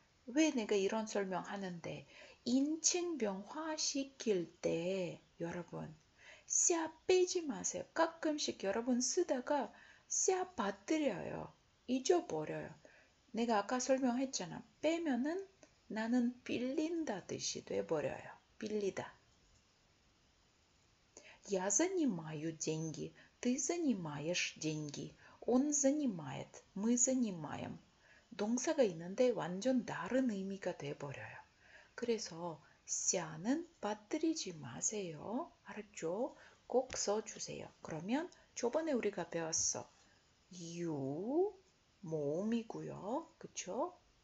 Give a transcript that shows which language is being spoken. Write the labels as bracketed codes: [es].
[ko] 왜 내가 이런 설명하는데, 인칭 변화시킬 때 여러분 시아 빼지 마세요. 가끔씩 여러분 쓰다가 시아 빠뜨려요. 잊어버려요. 내가 아까 설명했잖아. 빼면은 나는 빌린다 뜻이 돼버려요. 빌리다. [ru] 야 занимаю деньги, ты занимаешь деньги, он занимает, мы занимаем. [ko] 동사가 있는데 완전 다른 의미가 돼버려요. 그래서 시아는 빠뜨리지 마세요. 알았죠? 꼭 써주세요. 그러면 저번에 우리가 배웠어. 유 모음이고요. 그쵸?